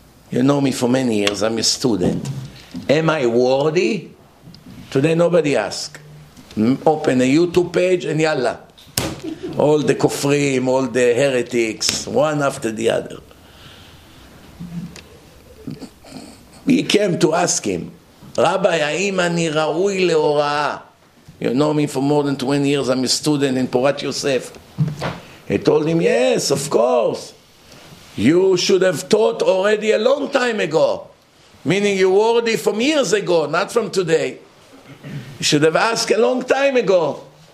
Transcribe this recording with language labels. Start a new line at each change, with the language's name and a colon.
English: You know me for many years, I'm a student. Am I worthy? Today nobody asks. Open a YouTube page and yalla. All the kofrim, all the heretics, one after the other. He came to ask him, Rabbi,
Hebrew: האם אני ראוי להוראה?
English: You know me for more than 20 years, I'm a student in Porat Yosef. He told him, yes, of course. You should have taught already a long time ago. Meaning you were already from years ago, not from today. You should have asked a long time ago.